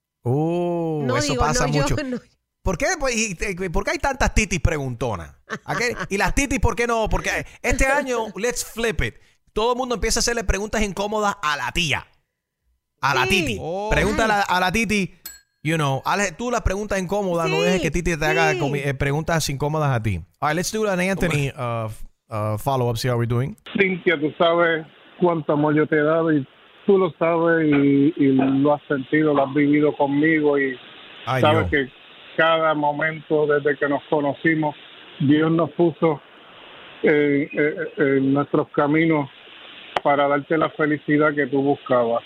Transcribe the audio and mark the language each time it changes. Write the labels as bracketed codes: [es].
[es] No, eso digo, pasa mucho. ¿Por qué? ¿Por qué hay tantas titis preguntonas? ¿Y las titis por qué no? Porque este año, [en] let's flip it. [es] Todo el mundo empieza a hacerle preguntas incómodas a la tía. La titi. Pregúntale a la titi, [en] you know. [es] Hazle tú las preguntas incómodas. Sí, no dejes que titi te haga preguntas incómodas a ti. [en] All right, let's do an Anthony follow-up, see how we're doing. [es] Cintia, tú sabes cuánto amor yo te he dado y tú lo sabes y lo has sentido, lo has vivido conmigo y que cada momento desde que nos conocimos, Dios nos puso en nuestros caminos para darte la felicidad que tú buscabas.